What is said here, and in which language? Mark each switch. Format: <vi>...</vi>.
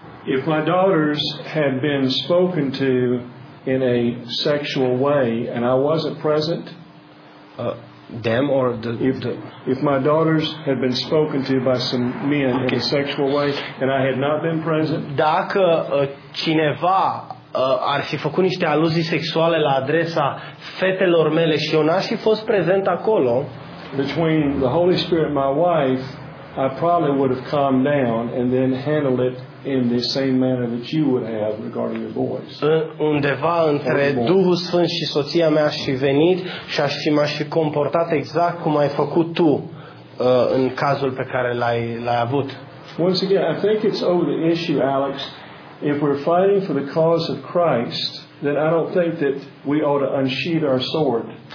<en>If my daughters had been spoken to in a sexual way and I wasn't present, them or if my daughters had been spoken to by some men in a sexual way and I had not been present,</en> <ro>dacă cineva ar fi făcut niște aluzii sexuale la adresa fetelor mele și eu n-aș fi fost prezent acolo,</ro> <en>between the Holy Spirit and my wife, I probably would have calmed down and then handled it in the same manner that you would have regarding the boys.</en> <ro>Undeva între Duhul Sfânt și soția mea aș fi venit și m-aș fi comportat exact cum ai făcut tu în cazul pe care l-ai avut.</ro> <en>Once again, I think it's over the issue, Alex. If we're fighting for the cause of Christ, then I don't think that we ought to unsheathe our sword.</en>